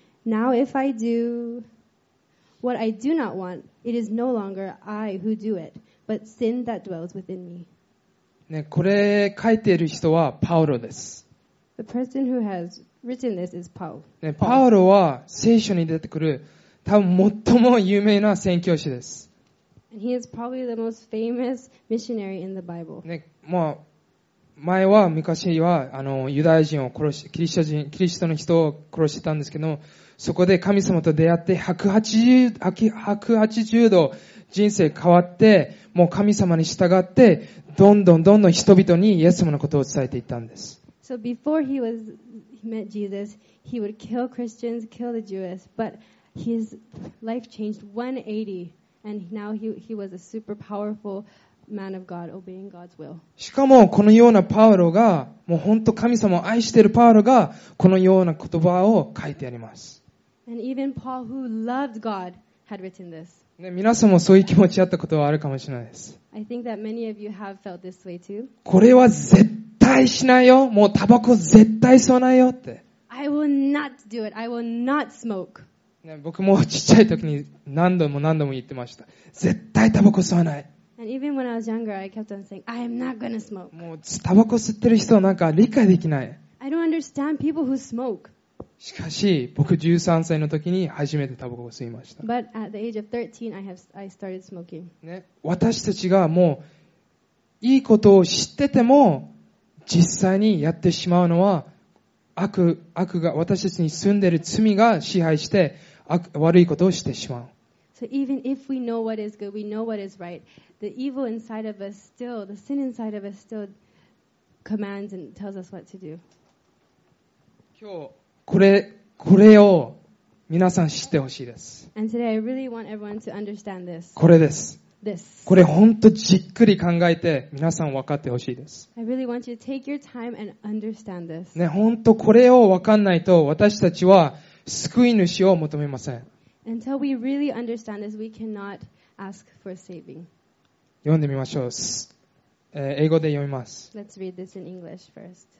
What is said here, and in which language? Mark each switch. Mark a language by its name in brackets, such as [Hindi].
[English] Now if I do what I do not want, it is no longer I who do it, but sin that dwells within me. [Japanese] ね、これ書いている人はパウロです。 [English] The person who has written this is Paul. [Japanese] ね、パウロは聖書に出てくる多分最も有名な宣教師です。 [English] And he is probably the most famous missionary in the Bible. [Japanese] ね、まあ、前は昔はユダヤ人を殺し、キリストの人を殺してたんですけど、そこで神様と出会って180度人生変わって、もう神様に従って、どんどんどんどん人々にイエス様のことを伝えていったんです。 [English] So before he met Jesus, he would kill Christians, kill the Jews, but his life changed 180, and now he was a super powerful man of God, obeying God's will. [Japanese] しかもこのようなパウロが、もう本当神様を愛しているパウロが、このような言葉を書いてあります。 [English] And even Paul, who loved God, had written this. [Japanese] ね、皆さんもそういう気持ちあったことはあるかもしれないです。 [English] I think that many of you have felt this way too. [Japanese] これは絶対絶対しないよ。もうタバコ絶対吸わないよって。 [English] I will not do it. I will not smoke. [Japanese] ね、僕もちっちゃい時に何度も言ってました。絶対タバコ吸わない。 [English] And even when I was younger, I kept on saying, I am not gonna smoke. [Japanese] もうタバコ吸ってる人はなんか理解できない。 [English] I don't understand people who smoke. [Japanese] しかし、僕13歳の時に初めてタバコを吸いました。 [English] But at the age of 13, I started smoking. [Japanese] ね、私たちがもういいことを知ってても、実際にやってしまうのは悪が私たちに住んでいる罪が支配して悪いことをしてしまう。 [English] So even if we know what is good, we know what is right, the evil inside of us still, the sin inside of us still commands and tells us what to do. [Japanese] 今日これを皆さん知ってほしいです。 [English] And today I really want everyone to understand this. [Japanese] これです。 [English] This. [Japanese] これ本当じっくり考えて皆さん分かってほしいです。 [English] I really want you to take your time and understand this. [Japanese] ね、本当これを分かんないと私たちは救い主を求めません。 [English] Until we really understand this, we cannot ask for saving. [Japanese] 読んでみましょう。英語で読みます。 [English] Let's read this in English first.